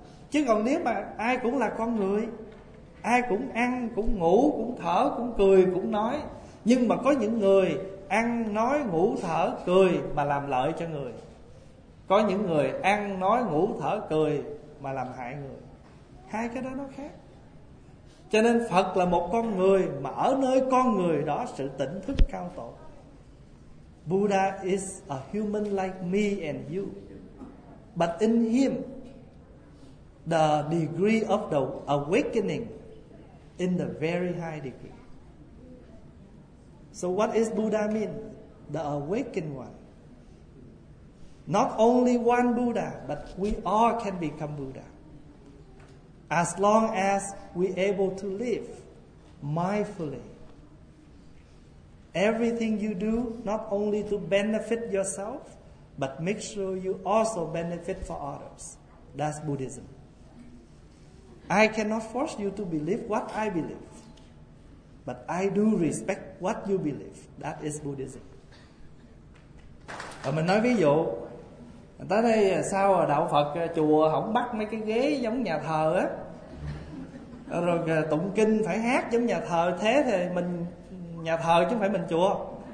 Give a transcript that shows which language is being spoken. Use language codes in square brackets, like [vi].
[vi] Chứ còn nếu mà ai cũng là con người, ai cũng ăn, cũng ngủ, cũng thở, cũng cười, cũng nói, nhưng mà có những người ăn, nói, ngủ, thở, cười mà làm lợi cho người, có những người ăn, nói, ngủ, thở, cười mà làm hại người. Hai cái đó nó khác. Cho nên Phật là một con người, mà ở nơi con người đó sự tỉnh thức cao tột. [en] Buddha is a human like me and you, but in him the degree of the awakening in the very high degree. So what is Buddha mean? The awakened one. Not only one Buddha, but we all can become Buddha. As long as we able to live mindfully, everything you do, not only to benefit yourself, but make sure you also benefit for others. That's Buddhism. I cannot force you to believe what I believe, but I do respect what you believe. That is Buddhism. [vi] Mình nói ví dụ, tới đây sao đạo Phật chùa không bắt mấy cái ghế giống nhà thờ á? Rồi tụng kinh phải hát giống nhà thờ. Thế thì mình nhà thờ chứ không phải mình chùa.